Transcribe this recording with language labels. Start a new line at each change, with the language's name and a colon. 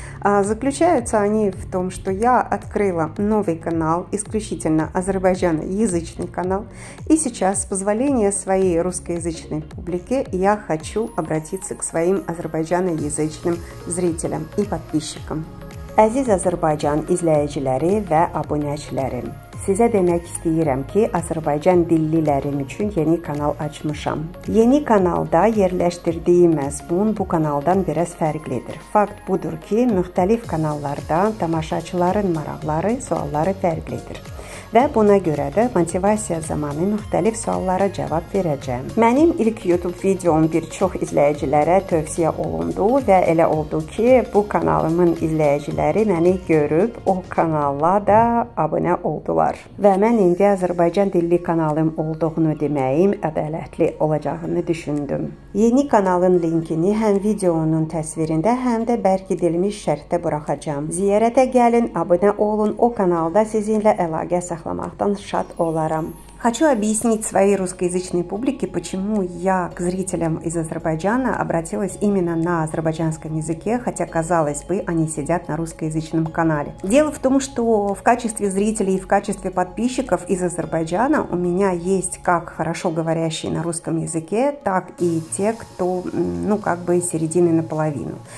Russian: Заключаются они в том, что я открыла новый канал, исключительно азербайджаноязычный канал. И сейчас, с позволения своей русскоязычной публики, я хочу обратиться к своим азербайджаноязычным зрителям и подписчикам.
Azerbaijani: Aziz Azerbaycan izleyiciləri və abunəçiləri, sizə demək istəyirəm ki, Azərbaycan dillilərim üçün yeni kanal açmışam. Yeni kanalda yerləşdirdiyim məzmun bu kanaldan biraz fərqlidir. Fakt budur ki, müxtəlif kanallarda tamaşaçıların maraqları, sualları fərqlidir. Və buna görə də motivasiya zamanı müxtəlif suallara cavab verəcəm. Mənim ilk YouTube videom bir çox izləyicilərə tövsiyə olundu və elə oldu ki, bu kanalımın izləyiciləri məni görüb o kanala da abunə oldular. Və mən indi Azərbaycan dilli kanalım olduğunu deməyim ədalətli olacağını düşündüm. Yeni kanalın linkini həm videonun təsvirində, həm də bərk edilmiş şərhdə buraxacam. Ziyarətə gəlin, abunə olun, o kanalda sizinlə əlaqə сохламахтан шат оларам.
Russian: Хочу объяснить своей русскоязычной публике, почему я к зрителям из Азербайджана обратилась именно на азербайджанском языке, хотя, казалось бы, они сидят на русскоязычном канале. Дело в том, что в качестве зрителей и в качестве подписчиков из Азербайджана у меня есть как хорошо говорящие на русском языке, так и те, кто, ну, как бы середины наполовину.